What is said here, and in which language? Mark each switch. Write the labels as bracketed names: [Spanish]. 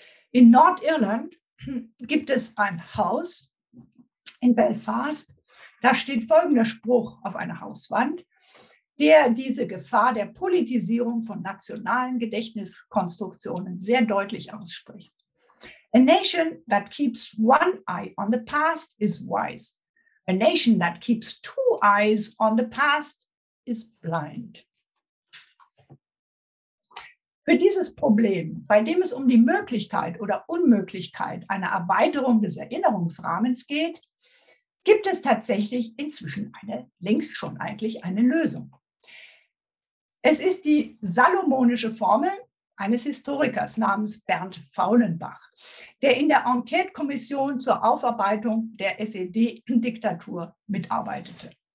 [German] In Nordirland gibt es ein Haus in Belfast, da steht folgender Spruch auf einer Hauswand, der diese Gefahr der Politisierung von nationalen Gedächtniskonstruktionen sehr deutlich ausspricht. [English] A nation that keeps one eye on the past is wise. A nation that keeps two eyes on the past is blind. [German] Für dieses Problem, bei dem es um die Möglichkeit oder Unmöglichkeit einer Erweiterung des Erinnerungsrahmens geht, gibt es tatsächlich inzwischen längst schon eine Lösung. Es ist die salomonische Formel eines Historikers namens Bernd Faulenbach, der in der Enquete-Kommission zur Aufarbeitung der SED-Diktatur mitarbeitete.